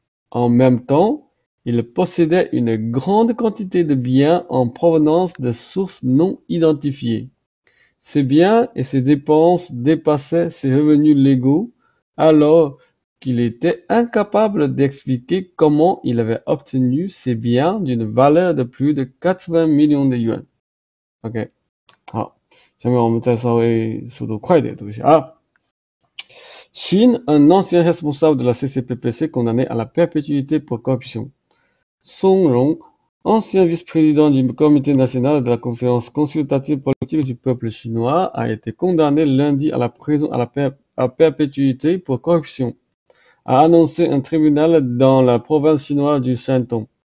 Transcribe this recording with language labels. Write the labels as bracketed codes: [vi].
[fr] En même temps, il possédait une grande quantité de biens en provenance de sources non identifiées. Ses biens et ses dépenses dépassaient ses revenus légaux, alors qu'il était incapable d'expliquer comment il avait obtenu ses biens d'une valeur de plus de 80 millions de yuan. [zh] OK，好，下面我们再稍微速度快点读一下啊。 [fr] Chine, un ancien responsable de la CCPPC condamné à la perpétuité pour corruption. Song Rong, Ancien vice-président du Comité national de la Conférence consultative politique du peuple chinois a été condamné lundi à la prison à perpétuité pour corruption, a annoncé un tribunal dans la province chinoise du Shantung.